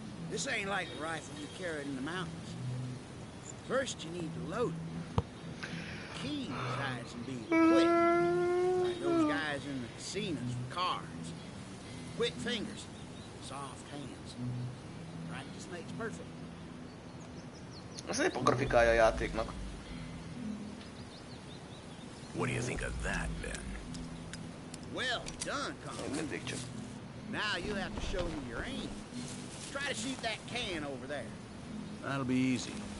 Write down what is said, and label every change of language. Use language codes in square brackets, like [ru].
[en] This ain't like the rifle you carry in the mountains. First you need to load it. Key besides being quick. Like those guys in the casinos with cards. Quick fingers. Soft hands. Practice makes perfect. [hu] Szép a grafikája a játéknak. [en] What do you think of that, Ben? Well done, comrade. Now you'll have to show me your aim. Try to shoot that can over there. That'll be easy.